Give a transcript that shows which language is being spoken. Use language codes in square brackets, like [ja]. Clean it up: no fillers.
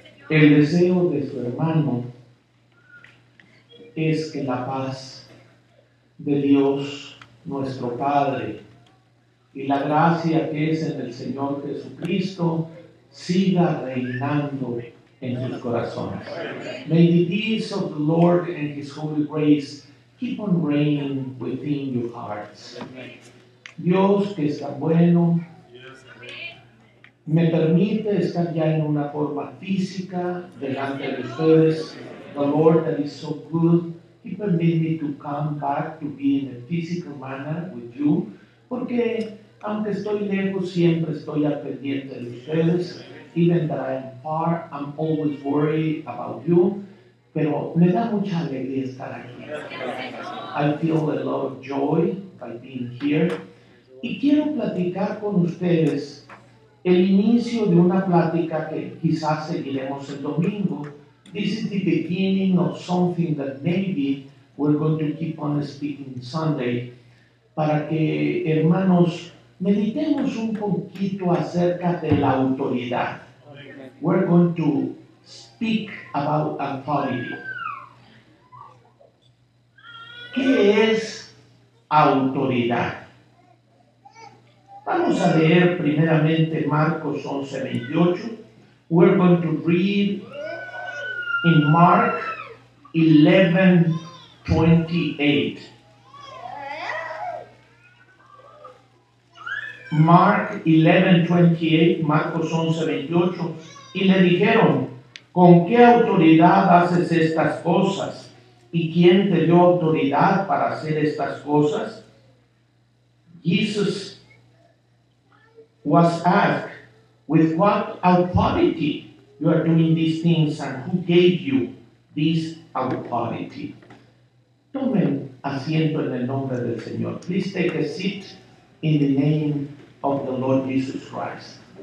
[es] El deseo de su hermano es que la paz de Dios nuestro Padre y la gracia que es en el Señor Jesucristo siga reinando en sus corazones. [en] May the peace of the Lord and His holy grace keep on reigning within your hearts. [es] Dios, que es tan bueno, me permite estar ya en una forma física delante de ustedes. [en] The Lord that is so good, He permit me to come back to be in a physical manner with you, [es] porque aunque estoy lejos, siempre estoy al pendiente de ustedes. [en] Even that I am far, I'm always worried about you. [es] Pero me da mucha alegría estar aquí. [en] I feel a lot of joy by being here. [es] Y quiero platicar con ustedes el inicio de una plática que quizás seguiremos el domingo. [en] This is the beginning of something that maybe we're going to keep on speaking Sunday. [es] Para que, hermanos, meditemos un poquito acerca de la autoridad. [en] We're going to speak about authority. [es] ¿Qué es autoridad? Vamos a leer primeramente Marcos 11:28. [en] We're going to read in Mark 11:28. Mark 11:28, Marcos 11:28. [es] Y le dijeron: ¿con qué autoridad haces estas cosas? ¿Y quién te dio autoridad para hacer estas cosas? [en] Jesus was asked, with what authority you are doing these things and who gave you this authority? [es] Tomen asiento en el nombre del Señor. [en] Please take a seat in the name of the Lord Jesus Christ.